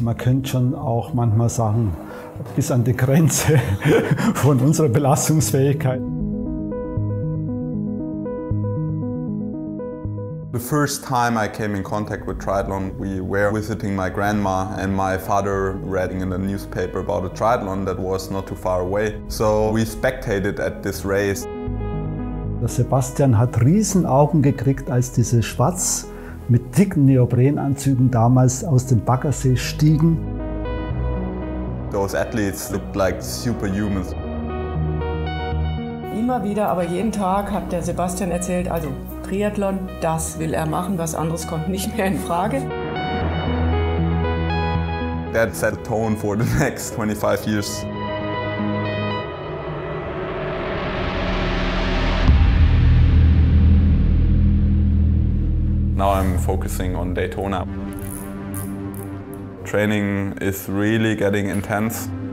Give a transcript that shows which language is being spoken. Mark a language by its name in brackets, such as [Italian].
[German] Man könnte schon auch manchmal sagen, bis an die Grenze von unserer Belastungsfähigkeit. [English] The first time I came in contact with triathlon, we were visiting my grandma and my father reading in the newspaper about a triathlon that was not too far away. So we spectated at this race. [German] Der Sebastian hat riesen Augen gekriegt, als diese Schwatz mit dicken Neoprenanzügen damals aus dem Baggersee stiegen. [English] Those athletes looked like superhumans. [German] Immer wieder, aber jeden Tag hat der Sebastian erzählt, also Triathlon, das will er machen, was anderes kommt nicht mehr in Frage. [English] That set the tone for the next 25 years. Now I'm focusing on Daytona. Training is really getting intense.